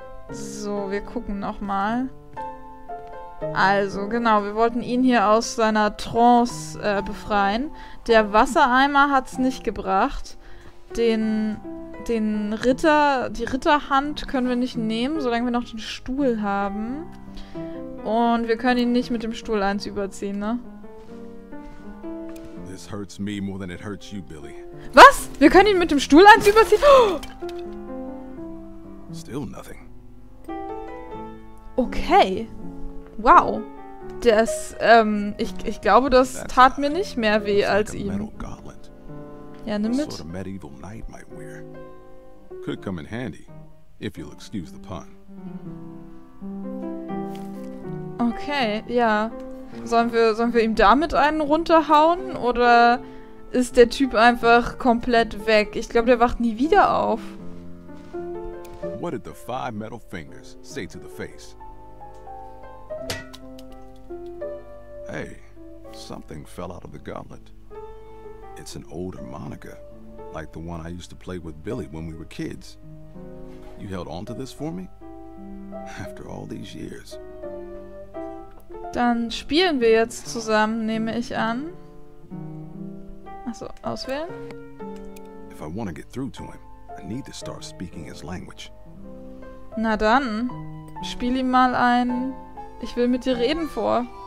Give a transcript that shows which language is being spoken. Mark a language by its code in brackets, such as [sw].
[de] So, wir gucken nochmal. Also, genau, wir wollten ihn hier aus seiner Trance befreien. Der Wassereimer hat's nicht gebracht. Die Ritterhand können wir nicht nehmen, solange wir noch den Stuhl haben. Und wir können ihn nicht mit dem Stuhl eins überziehen, ne? [en] This hurts me more than it hurts you, Billy. [de] Was? Wir können ihn mit dem Stuhl eins überziehen? Oh! [en] Still nothing. Okay. Wow. [de] Das, ich glaube, das That's tat mir nicht mehr weh als ihm. Ja, nimm mit. [en] Sort of medieval knight might wear. Could come in handy, if you'll excuse the pun. [de] Okay, ja. Sollen wir ihm damit einen runterhauen? Oder ist der Typ einfach komplett weg? Ich glaube, der wacht nie wieder auf. [en] What did the five metal fingers say to the face? Hey, something fell out of the gauntlet. It's an old harmonica, like the one I used to play with Billy when we were kids. You held on to this for me? After all these years. [de] Dann spielen wir jetzt zusammen, nehme ich an. Achso, auswählen. [en] If I want to get through to him, I need to start speaking his language. [de] Na dann, spiel ihm mal ein Ich will mit dir reden vor.